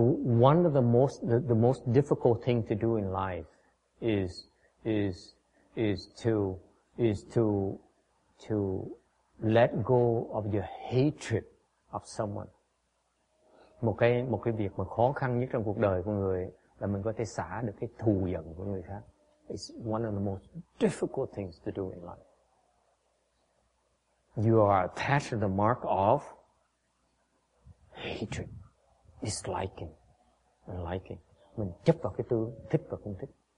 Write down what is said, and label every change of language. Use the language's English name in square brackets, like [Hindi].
[English] one of the most difficult thing to do in life is to let go of your hatred of someone. [Vietnamese] Một cái việc mà khó khăn nhất trong cuộc đời của người là mình có thể xả được cái thù giận của người khác. [English] It's one of the most difficult things to do in life. You are attached to the mark of hatred, disliking, and liking. [Vietnamese] Mình chấp vào cái tư thích và không thích.